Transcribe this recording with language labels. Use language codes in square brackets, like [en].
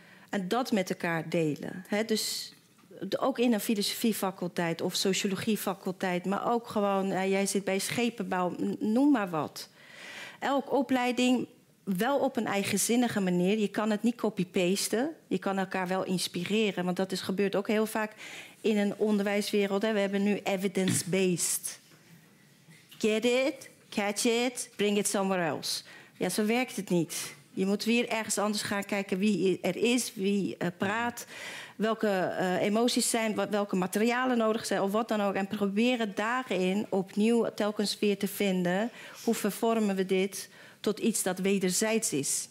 [nl] En dat met elkaar delen. Hè? Dus ook in een filosofiefaculteit of sociologiefaculteit, maar ook gewoon, jij zit bij schepenbouw, noem maar wat. Elke opleiding wel op een eigenzinnige manier. Je kan het niet copy-pasten. Je kan elkaar wel inspireren. Want dat gebeurt ook heel vaak in een onderwijswereld. Hè? We hebben nu evidence-based. [en] Get it? Catch it, bring it somewhere else. [nl] Ja, zo werkt het niet. Je moet weer ergens anders gaan kijken wie er is, wie praat, welke emoties zijn, welke materialen nodig zijn of wat dan ook. En proberen daarin opnieuw telkens weer te vinden hoe vervormen we dit tot iets dat wederzijds is.